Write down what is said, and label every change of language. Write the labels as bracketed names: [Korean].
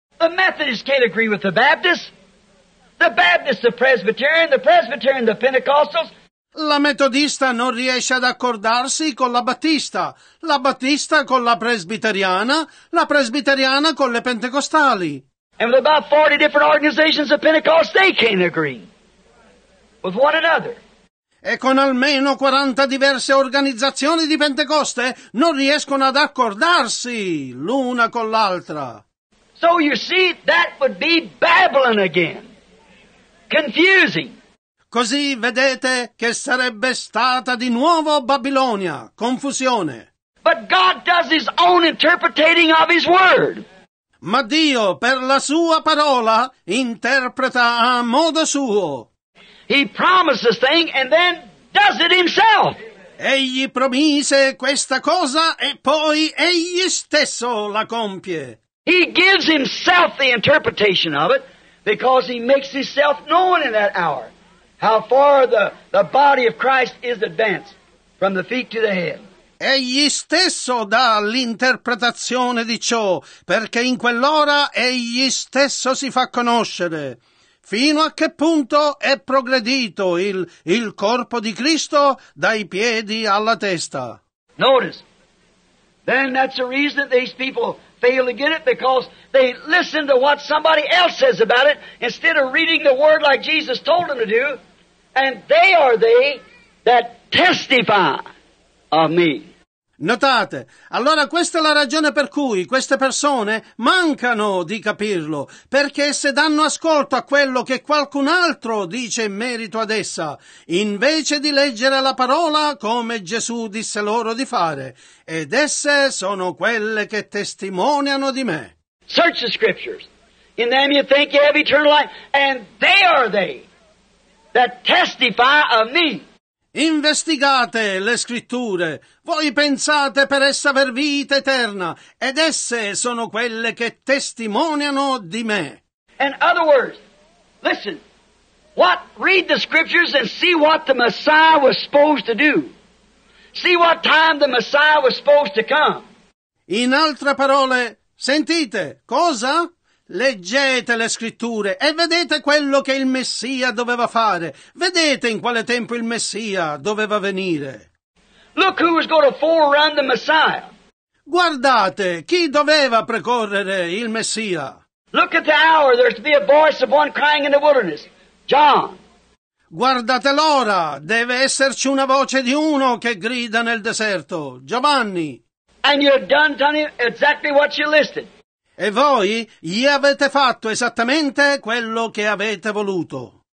[English] The Methodists can't agree with the Baptists. The Baptists, the Presbyterian, the Pentecostals. [Italian] La metodista non riesce ad accordarsi con la battista con la presbiteriana con le pentecostali. [English] And with about 40 different organizations of Pentecost, they can't agree with one another. [Italian] E con almeno 40 diverse organizzazioni di Pentecoste non riescono ad accordarsi l'una con l'altra. [English] So you see, that would be Babylon again. Confusing. [Italian] Così vedete che sarebbe stata di nuovo Babilonia, confusione. [English] But God does his own interpreting of his word. [Italian] Ma Dio, per la sua parola, interpreta a modo suo. [English] He promises thing and then does it himself. [Italian] Egli promise questa cosa e poi egli stesso la compie. [English] He gives himself the interpretation of it. Because he makes himself known in that hour how far the body of Christ is advanced from the feet to the head. [Italian] Egli stesso dà l'interpretazione di ciò, perché in quell'ora egli stesso si fa conoscere fino a che punto è progredito il corpo di Cristo dai piedi alla testa. [English] Notice, then that's the reason that these people fail to get it, because they listen to what somebody else says about it instead of reading the word like Jesus told them to do, and they are they that testify of me. [Italian] Notate, allora questa è la ragione per cui queste persone mancano di capirlo, perché se danno ascolto a quello che qualcun altro dice in merito ad essa, invece di leggere la parola come Gesù disse loro di fare, ed esse sono quelle che testimoniano di me. [English] Search the scriptures, in them you think you have eternal life, and they are they that testify of me. [Italian] Investigate le scritture, voi pensate per essa aver vita eterna, ed esse sono quelle che testimoniano di me. [English] In other words, listen, what, read the scriptures and see what the Messiah was supposed to do. See what time the Messiah was supposed to come. [Italian] In altre parole, sentite, cosa? Leggete le scritture e vedete quello che il Messia doveva fare. Vedete in quale tempo il Messia doveva venire. [English] Look who was going to forerun the Messiah. [Italian] Guardate chi doveva precorrere il Messia. [English] Look at the hour, there's to be a voice of one crying in the wilderness. John. [Italian] Guardate l'ora, deve esserci una voce di uno che grida nel deserto. Giovanni. [English] And you've done to him exactly what you listed. [Italian] E voi gli avete fatto esattamente quello che avete voluto.